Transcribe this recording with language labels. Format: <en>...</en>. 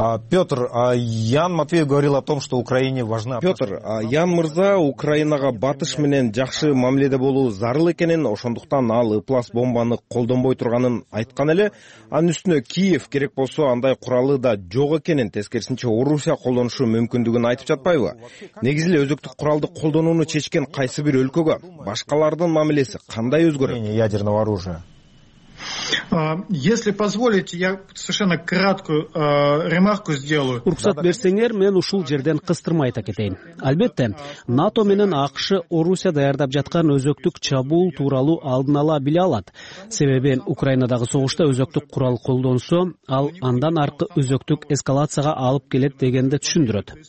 <ru>Петр, Ян Матвеев говорил о том, что Украине важна...</ru> <ky>Петр, Ян Мырза Украинага батыш менен жакшы мамиледе болуу зарыл экенин, ошондуктан ал ыплас бомбаны колдонбой турганын айткан эле, анын үстүнө Киев керек болсо андай куралы да жок экенин, тескерисинче Орусия колдонушу мүмкүндүгүн айтып жатпайбы? Негизи эле өзөктүк куралды колдонууну чечкен кайсы бир өлкөгө башкалардын мамилеси кандай өзгөрөт?</ky> <ru>Ядерное оружие. Если позволите, я совершенно краткую ремарку сделаю.</ru> <ky>Уруксат берсеңер, мен ушул жерден кыстырма айта кетейин. Албетте, НАТО менен АКШ Орусия даярдап жаткан өзөктүк чабуул тууралуу алдын ала биле алат. Себеби, Украинадагы согушта өзөктүк курал колдонсо, ал андан аркы өзөктүк эскалацияга алып келет дегенди түшүндүрөт.</ky>